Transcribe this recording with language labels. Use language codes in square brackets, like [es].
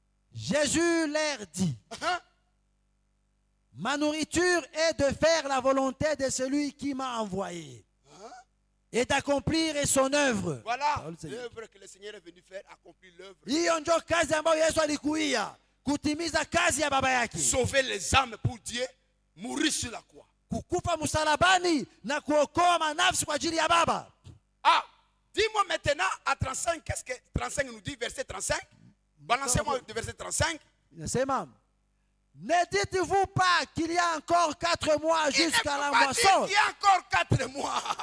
[fr] Jésus leur dit, ma nourriture est de faire la volonté de celui qui m'a envoyé et d'accomplir son œuvre. Voilà l'œuvre que le Seigneur est venu faire, accomplir l'œuvre. [sw] kutimiza kazi ya baba yake. [fr] Sauver les âmes pour Dieu, mourir sur la croix. [sw] Kukufa msalabani na kuokoa manafsi kwa ajili ya baba. [fr] Ah, dis-moi maintenant à 35, qu'est-ce que 35 nous dit, verset 35? Balancez-moi de verset 35. C'est même. Ne dites-vous pas qu'il y a encore 4 mois jusqu'à la moisson? Il y a encore 4 mois.